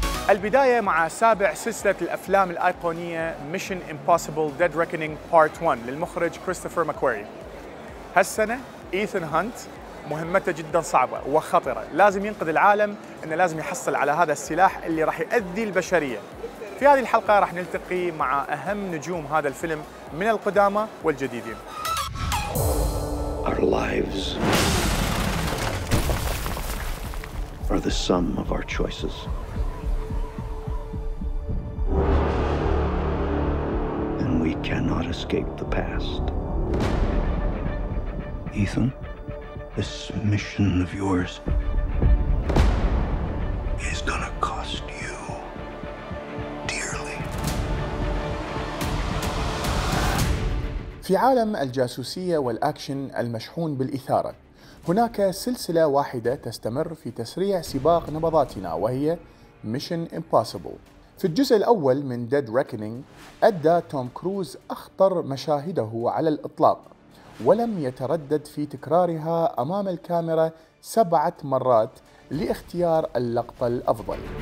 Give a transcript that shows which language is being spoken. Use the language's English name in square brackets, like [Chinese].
[Arabic] البداية مع سابع سلسلة الأفلام الأيقونية Mission Impossible Dead Reckoning Part 1 للمخرج كريستوفر ماكواري. هالسنة إيثان هانت مهمته جداً صعبة وخطرة، لازم ينقذ العالم، إنه لازم يحصل على هذا السلاح اللي راح يؤذي البشرية. في هذه الحلقة راح نلتقي مع أهم نجوم هذا الفيلم من القدامى والجديدين. [English] Our lives are the sum of our choices. We cannot escape the past. Ethan, this mission of yours is gonna cost you dearly. [Arabic] في عالم الجاسوسية والأكشن المشحون بالإثارة، هناك سلسلة واحدة تستمر في تسريع سباق نبضاتنا وهي Mission Impossible. في الجزء الأول من Dead Reckoning أدى توم كروز أخطر مشاهده على الإطلاق، ولم يتردد في تكرارها أمام الكاميرا 7 مرات لاختيار اللقطة الأفضل.